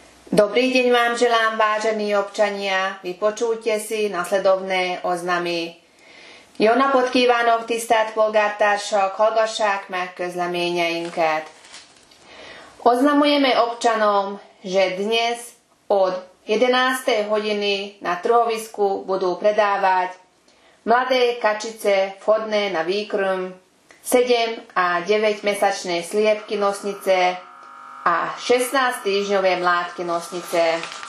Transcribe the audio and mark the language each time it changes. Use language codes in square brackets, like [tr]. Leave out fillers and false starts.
[sk] Dobrý deň vám želám, vážení občania. Vypočujte si nasledovné oznamy. [hu] Jóna podkívánok tisztelt polgártársak, hallgassák meg közleményeinket. [sk] Oznamujeme občanom, že dnes od 11. hodiny na trhovisku budú predávať mladé kačice vhodné na výkrm, 7 a 9 mesačné sliepky nosnice a 16 týždňové mládky nosnice.